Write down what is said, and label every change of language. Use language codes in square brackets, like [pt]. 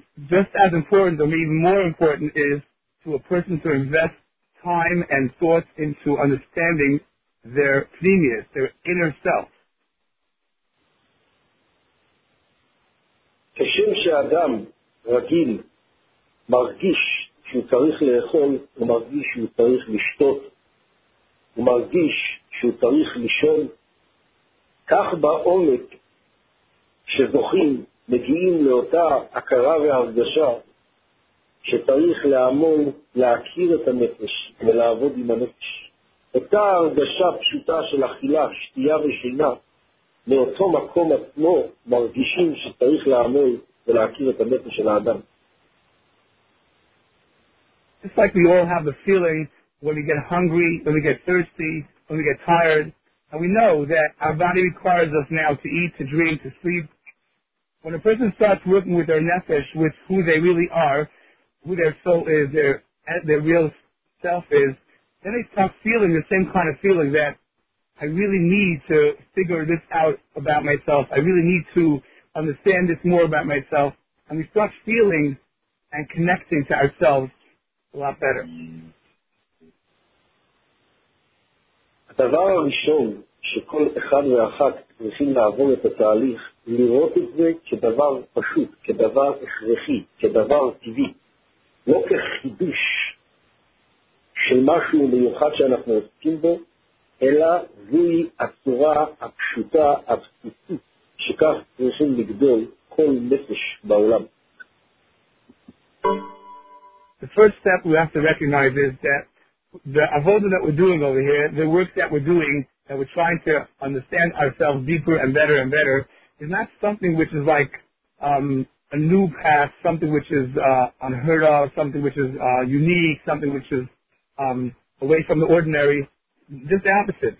[en] Just as important, or maybe more important, is to a person to invest time and thoughts into understanding their pneumius, their inner self. [he] כשם שאדם רגיל מרגיש שהוא צריך לאכול, הוא מרגיש שהוא צריך לשתות, הוא מרגיש שהוא צריך לישון, כך בעומק שזוכים מגיעים לאותה הכרה והרגשה שצריך לעמול, להכיר את הנפש ולעבוד עם הנפש. אותה הרגשה פשוטה של אכילה, שתייה ושינה, מאותו מקום עצמו מרגישים שצריך לעמול ולהכיר את הנפש של האדם. [en] It's like we all have a feeling when we get hungry, when we get thirsty, when we get tired, and we know that our body requires us now to eat, to drink, to sleep. When a person starts working with their nefesh, with who they really are, who their soul is, their real self is, then they start feeling the same kind of feeling that I really need to figure this out about myself. I really need to understand this more about myself. And we start feeling and connecting to ourselves a lot better. [he] הדבר הראשון שכל אחד ואחת צריכים לעבור את התהליך, לראות את זה כדבר פשוט, כדבר הכרחי, כדבר טבעי, לא כחידוש של משהו מיוחד שאנחנו עוסקים בו, אלא זוהי הצורה הפשוטה, הבסיסית, שכך צריכים לגדול כל נפש בעולם. [en] The first step we have to recognize is that the avodah that we're doing over here, the work that we're doing, that we're trying to understand ourselves deeper and better and better, is not something which is like a new path, something which is unheard of, something which is unique, something which is away from the ordinary. Just the opposite.